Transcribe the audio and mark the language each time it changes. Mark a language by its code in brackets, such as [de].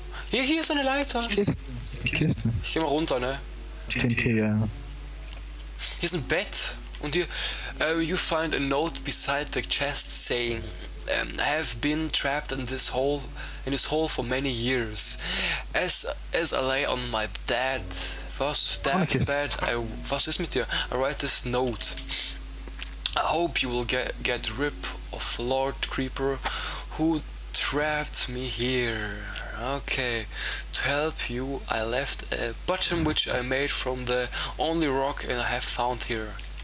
[de] Hier ist eine Leiter. Kiste. Ich geh mal runter, ne? TNT, ja. Hier ist ein Bett. Und hier, [en] you find a note beside the chest saying, I have been trapped in this hole for many years. As I lay on my bed, [de] was ist mit dir? [en] I write this note. I hope you will get rid of Lord Creeper who trapped me here. Okay, to help you, I left a button which I made from the only rock and I have found here.